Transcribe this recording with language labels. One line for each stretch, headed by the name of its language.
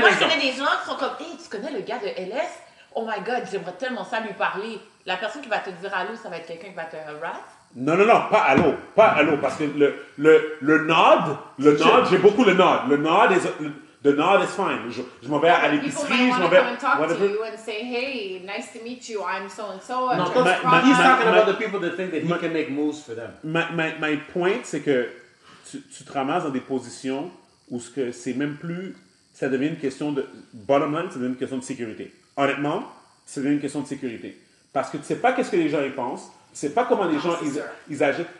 French: Moi, je connais des gens qui sont comme, hey, tu connais le gars de LS?
English: Oh my God,
French: j'aimerais tellement ça lui parler. La personne qui va te dire allô, ça va être quelqu'un qui va te harass? Non, pas allô. Pas allô, parce que le nod, j'ai beaucoup le nod.
English: The nod is fine.
French: Je m'en vais à l'épicerie, je m'en vais...
English: People might want to come and talk to you and say, hey, nice to meet you, I'm so-and-so. He's talking about the people that think that he can make moves for them. My point,
French: c'est que tu te ramasses dans des positions où ce que c'est même plus... Ça devient une question de... Bottom line, ça devient une question de sécurité. Honnêtement, c'est une question de sécurité. Parce que tu ne sais pas qu'est-ce que les gens y pensent, tu ne sais pas comment les gens ils agissent.